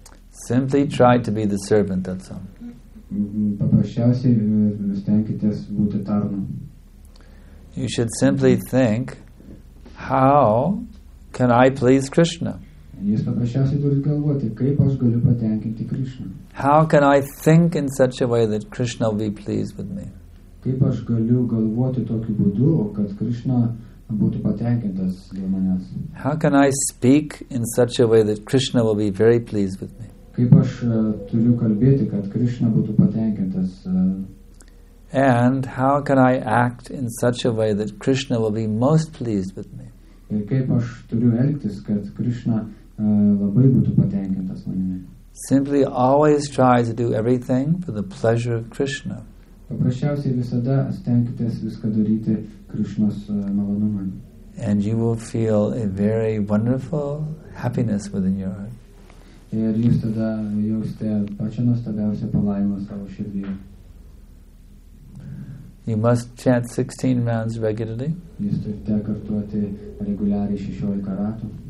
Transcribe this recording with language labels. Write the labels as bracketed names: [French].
[English] Simply try to be the servant, that's all. [Lithuanian] Paprasčiausiai stenkitės būti tarnu. [English] You should simply think, how can I please Krishna? [Lithuanian] Jūs paprasčiausiai turite galvoti, kaip aš galiu patenkinti Krishna. [English] How can I think in such a way that Krishna will be pleased with me? [Lithuanian] Kaip aš galiu galvoti tokiu būdu, kad Krishna būtų patenkintas dėl manęs? [English] How can I speak in such a way that Krishna will be very pleased with me? [Lithuanian] Kaip aš turiu kalbėti, kad Krishna būtų patenkintas? [English] And how can I act in such a way that Krishna will be most pleased with me? [Lithuanian] Ir kaip aš turiu elgtis, kad Krishna labai būtų patenkintas manimi? [English] Simply always try to do everything for the pleasure of Krishna. [Lithuanian] Paprasčiausiai visada stenkitės viską daryti Krishnos malonumui. [English] And you will feel a very wonderful happiness within your heart. [Lithuanian] Ir jūs tada jausite pačią nuostabiausią palaimą savo širdyje. [English] You must chant 16 rounds regularly. [Lithuanian] Jūs turite kartuoti reguliariai 16 ratų.